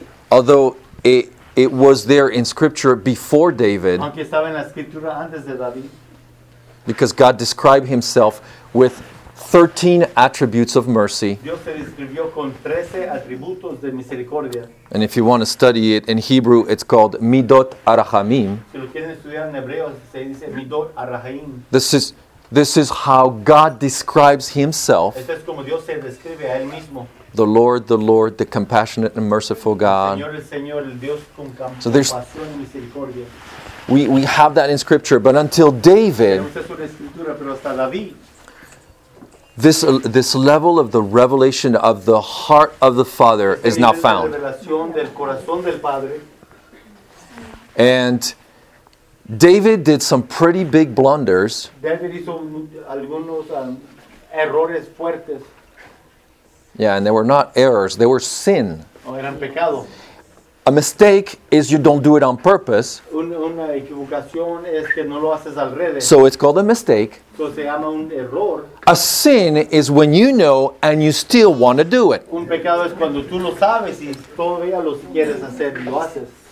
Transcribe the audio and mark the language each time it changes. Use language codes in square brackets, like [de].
[en] although it was there in Scripture before David, [es] aunque estaba en la escritura antes de David, [en] because God described himself with 13 attributes of mercy. [es] Dios se describió con 13 atributos de misericordia. [en] And if you want to study it in Hebrew, it's called Midot Arachamim. [es] Si lo quieren estudiar en hebreo, se dice Midot Arachamim. [en] This is how God describes himself. [es] Este es como Dios se describe a él mismo. [en] The Lord, the compassionate and merciful God. [es] El Señor, el Dios con compasión y misericordia. [en] We have that in Scripture, but until David, [es] pero hasta David [en] this level of the revelation of the heart of the Father is not found. [es] La revelación del corazón del Padre. [en] And David did some pretty big blunders. [es] David hizo algunos errores fuertes. [en] Yeah, and they were not errors. They were sin. [es] Oh, eran pecado. [en] A mistake is you don't do it on purpose. [es] Una equivocación es que no lo haces al revés. [en] So it's called a mistake. So [es] se llama un error. [en] A sin is when you know and you still want to do it. [es] Un pecado es cuando tú lo sabes y todavía lo quieres hacer y lo haces.